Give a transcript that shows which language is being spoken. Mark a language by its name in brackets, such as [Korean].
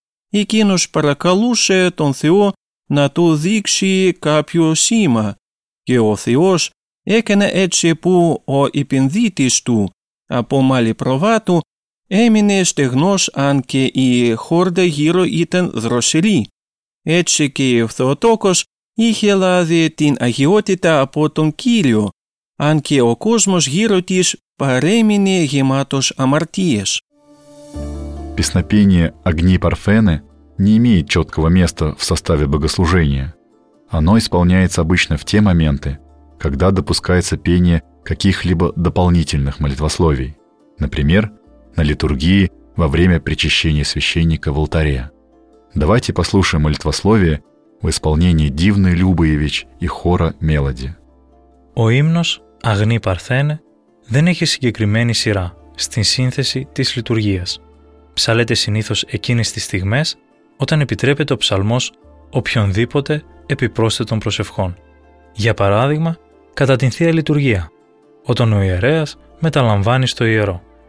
[Greek] Εκείνος παρακαλούσε τον Θεό να του δείξει κάποιο σήμα και ο Θεός έκανε έτσι που ο επενδύτης του από μάλι προβάτου έμεινε στεγνός αν και η χόρτα γύρω ήταν δροσερή. Έτσι και ο Θεοτόκος είχε λάβει την αγιότητα από τον Κύριο, αν και ο κόσμος γύρω της παρέμεινε γεμάτος αμαρτίες. [Russian] Песнопение «Огни Парфены» не имеет четкого места в составе богослужения. Оно исполняется обычно в те моменты, когда допускается пение каких-либо дополнительных молитвословий, например, на литургии во время причащения священника в алтаре. Давайте послушаем молитвословие в исполнении Дивны Любоевич и хора «Мелоди». [Greek] Ο ύμνος «Αγνή Παρθένε» δεν έχει συγκεκριμένη σειρά στην σύνθεση της λειτουργίας. Ψαλέται συνήθως εκείνες τις στιγμές όταν επιτρέπεται ο ψαλμός οποιονδήποτε επιπρόσθετων προσευχών. Για παράδειγμα, κατά την Θεία Λειτουργία, όταν ο ιερέας μεταλαμβάνει στο ιερό.